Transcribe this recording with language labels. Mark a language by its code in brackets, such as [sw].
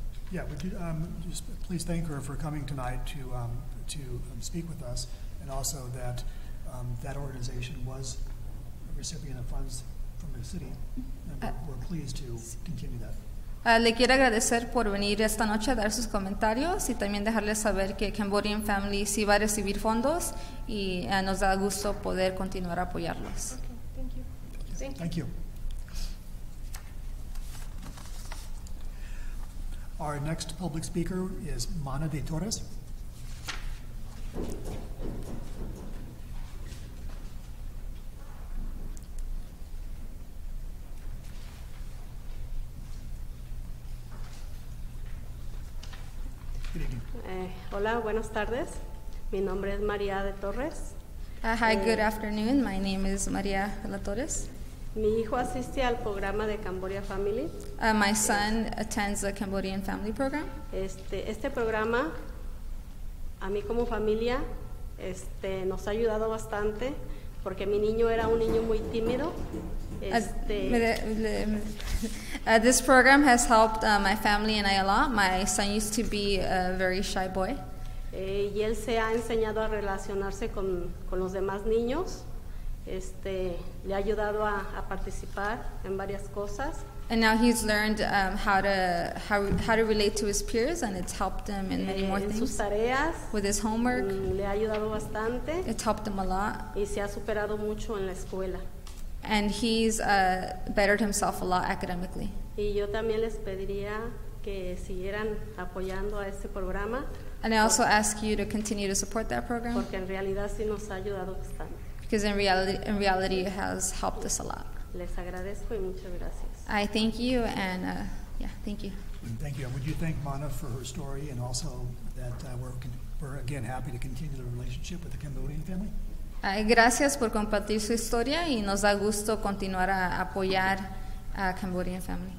[en] Yeah, would you just please thank her for coming tonight to speak with us, and also that that organization was a recipient of funds from the city, and we're pleased to continue that. [es] Le quiero agradecer por venir esta noche a dar sus comentarios y también dejarles saber que Cambodian Family sí va a recibir fondos y nos da gusto poder continuar a apoyarlos. [en] Okay, thank you. Thank you. Our next public speaker is Mana de Torres. [es] Hola, buenas tardes. Mi nombre es María de Torres. [en] Hi, good afternoon. My name is María de la Torres. [es] Mi hijo asiste al programa de Cambodia Family. [en] My son attends the Cambodian Family Program. [es] Este programa, a mí como familia, nos ha ayudado bastante, porque mi niño era un niño muy tímido. [en] This program has helped my family and I a lot. My son used to be a very shy boy. [es] Y él se ha enseñado a relacionarse con los demás niños. Le ha ayudado a participar en varias cosas. [en] And now he's learned how to relate to his peers, and it's helped him in many more things. [es] En sus tareas. [en] With his homework. [es] Le ha ayudado bastante. [en] It's helped him a lot. [es] Y se ha superado mucho en la escuela. [en] And he's bettered himself a lot academically. [es] Y yo también les pediría que siguieran apoyando a este programa. [en] And I also ask you to continue to support that program. [es] Porque en realidad sí nos ha ayudado bastante. [en] Because in reality, it has helped us a lot. [es] Les agradezco y muchas gracias. [en] I thank you, and thank you. And thank you. And would you thank Mana for her story, and also that we're again happy to continue the relationship with the Cambodian family? [es] Gracias por compartir su historia, y nos da gusto continuar a apoyar a Cambodian family.